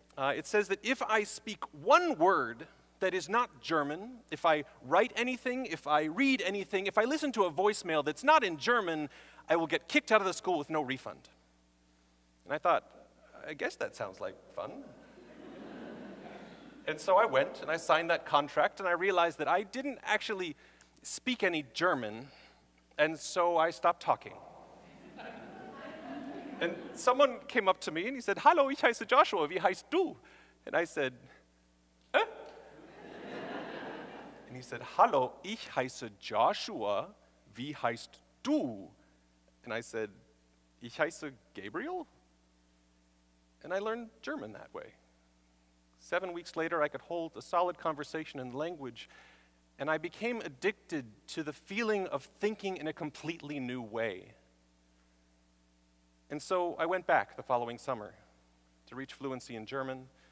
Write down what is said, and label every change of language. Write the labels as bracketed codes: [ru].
[en] It says that if I speak 1 word that is not German, if I write anything, if I read anything, if I listen to a voicemail that's not in German, I will get kicked out of the school with no refund. And I thought, I guess that sounds like fun. And so I went and I signed that contract and I realized that I didn't actually speak any German, and so I stopped talking. And someone came up to me and he said, [de] hallo, ich heiße Joshua, wie heißt du? [en] And I said, eh? And he said, [de] hallo, ich heiße Joshua, wie heißt du? [en] And I said, [de] ich heiße Gabriel? [en] And I learned German that way. 7 weeks later, I could hold a solid conversation in language, and I became addicted to the feeling of thinking in a completely new way. And so I went back the following summer to reach fluency in German.